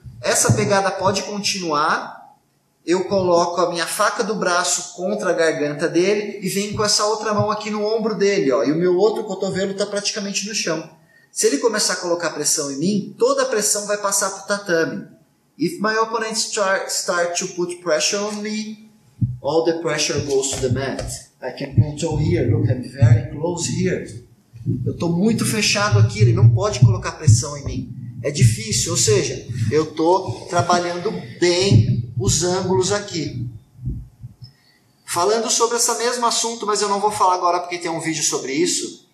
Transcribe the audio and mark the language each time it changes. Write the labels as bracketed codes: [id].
[pt] Essa pegada pode continuar. Eu coloco a minha faca do braço contra a garganta dele e venho com essa outra mão aqui no ombro dele, ó. E o meu outro cotovelo está praticamente no chão. Se ele começar a colocar pressão em mim, toda a pressão vai passar para o tatame. [en] If my opponent start to put pressure on me, all the pressure goes to the mat. I can control here. Look, I'm very close here. [pt] Eu estou muito fechado aqui, ele não pode colocar pressão em mim. É difícil, ou seja, eu estou trabalhando bem os ângulos aqui. Falando sobre esse mesmo assunto, mas eu não vou falar agora porque tem um vídeo sobre isso.